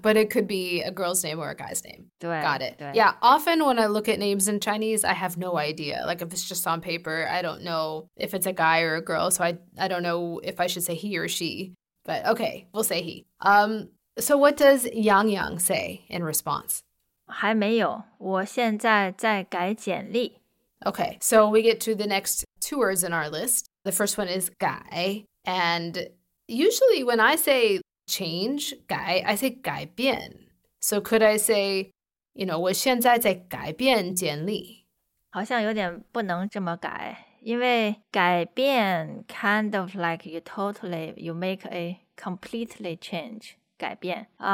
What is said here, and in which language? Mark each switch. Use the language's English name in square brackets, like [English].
[English] But it could be a girl's name or a guy's name. [Chinese] 对, [English] Got it. [Chinese] 对. [English] Yeah, often when I look at names in Chinese, I have no idea. Like if it's just on paper, I don't know if it's a guy or a girl. So I don't know if I should say he or she. But okay, we'll say he. So what does Yang Yang say in response? [Chinese] 还没有,我现在在改简历。 [English] Okay, so we get to the next two words in our list. The first one is 改, and usually when I say change, 改, I say 改变. So could I say, you know, [Chinese] 我现在在改变简历? 好像有点不能这么改,因为改变 [English] kind of like you totally, you make a completely change, [Chinese] 改变.